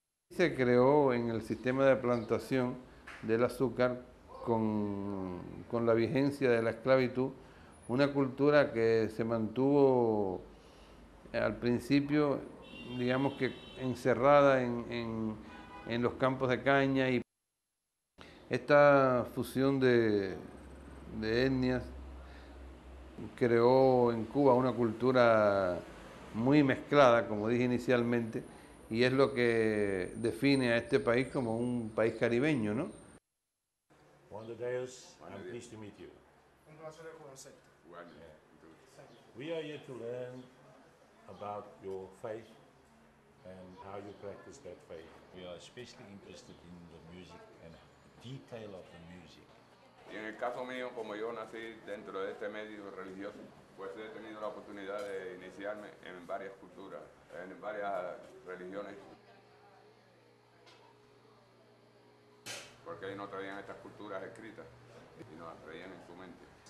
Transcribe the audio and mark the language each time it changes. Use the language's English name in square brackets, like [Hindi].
[Spanish] Se creó en el sistema de plantación del azúcar con la vigencia de la esclavitud una cultura que se mantuvo al principio, digamos que encerrada en los campos de caña, y esta fusión de etnias creó en Cuba una cultura muy mezclada, como dije inicialmente, y es lo que define a este país como un país caribeño, ¿no? [English] Juan de Dios, I'm pleased to meet you. [Spanish] Un placer conocerte. [English] We are here to learn about your faith and how you practice that faith. We are especially interested in the music and detail of the music. [Spanish] Y en el caso mío, como yo nací dentro de este medio religioso, pues he tenido la oportunidad de iniciarme en varias culturas, en varias religiones. Porque ellos no traían estas culturas escritas y nos las traían en su mente.